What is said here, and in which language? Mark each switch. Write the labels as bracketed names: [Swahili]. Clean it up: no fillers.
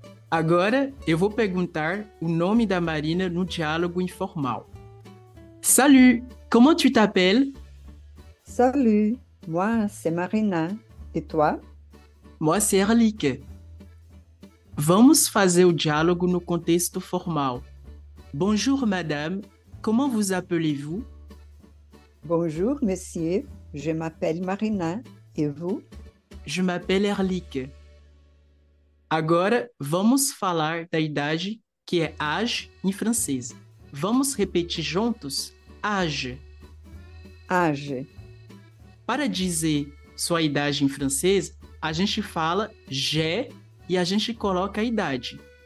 [Portuguese] Agora, eu vou perguntar o nome da Marina no diálogo informal. [French] Salut, comment tu t'appelles? Salut, moi c'est Marina. Et toi? Moi c'est Erlik. [Portuguese] Vamos fazer o diálogo no contexto formal. [French] Bonjour madame, comment vous appelez-vous? Bonjour monsieur, je m'appelle Marina. Et vous? Je m'appelle Erlik. [Portuguese] Agora, vamos falar da idade, que é âge em francês. Vamos repetir juntos? Âge. [French] Âge. [Portuguese] Para dizer sua idade em francês, a gente fala j'ai e a gente coloca a idade.